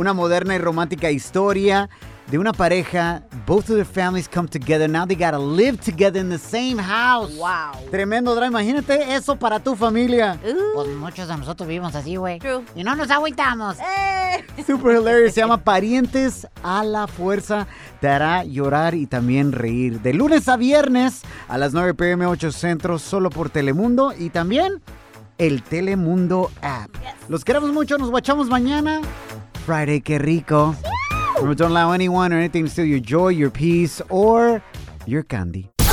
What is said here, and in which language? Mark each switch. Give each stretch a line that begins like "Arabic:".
Spanish: Una moderna y romántica historia de una pareja.
English: Both of their families come together. Now they gotta live together in the same house. Wow.
Spanish: Tremendo drama. Imagínate eso para tu familia. Pues muchos de nosotros vivimos así, güey.
English: True.
Spanish: Y no nos agüitamos.
English: Super hilarious.
Spanish: Se llama Parientes a la Fuerza. Te hará llorar y también reír. De lunes a viernes a las 9 p.m. 8 Centro. Solo por Telemundo y también el Telemundo app.
English: Yes.
Spanish: Los queremos mucho. Nos guachamos mañana. Friday, qué rico.
English: Don't allow anyone or anything to steal your joy, your peace, or your candy.